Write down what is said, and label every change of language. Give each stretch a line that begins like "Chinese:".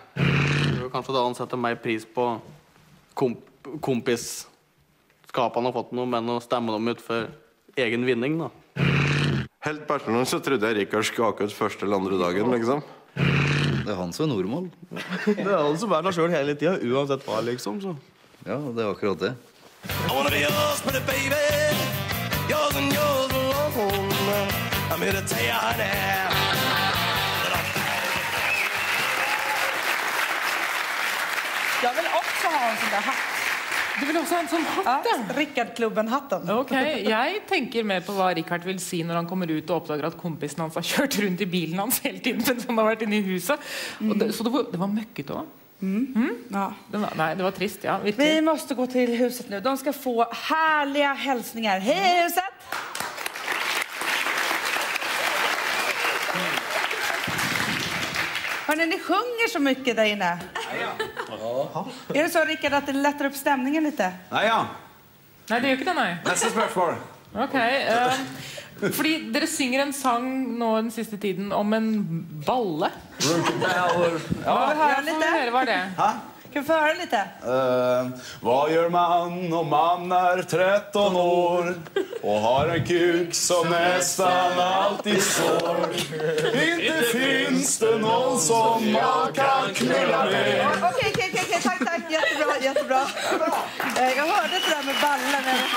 Norwegian: Kanskje da han setter mer pris på kompis-skapet han har fått noe, men å stemme dem ut for egen vinning, da. Helt personlig så trodde jeg Rickard skulle ut første eller andre dagen, liksom. Det er han som er normal. Det er han som er der selv hele tiden, uansett hva, liksom. Så. Ja, det er akkurat det.
English: I wanna be yours, pretty baby. Yours and yours alone. I'm here to tell you, honey.
Swedish: Jag vill också ha en sån där hatt. Du vill också ha en sån hatt? Ja, Rickard-klubben-hatten. Okej, okay, jag tänker mer på vad Rickard vill si när han kommer ut och uppdagar att kompisen hans har kört runt i bilen hans hela tiden sen han har varit inne i huset. Mm. Det, så det var mycket då. Ja.
Norwegian: Det var trist, ja. Virkelig.
Swedish: Vi måste gå till huset nu. De ska få härliga hälsningar. Hej huset. Hörrni, ni sjunger så mycket där inne. Ja. Är det så, Rickard, att det lättar upp stämningen lite? Nej, ja. Nej, det är ju inte det, nej. Nästa spörsmål.
Norwegian: Okej. Fordi dere synger en sang nå den siste tiden om en balle. Hva er det? Hæ? Kan vi få høre litt? Hva gjør man når man 13 år og har en kuk som nesten alltid sår?
Swedish: Inte finns det någon som man kan knulla med. Okej, tack. Jättebra. Jag hörde det där med ballen.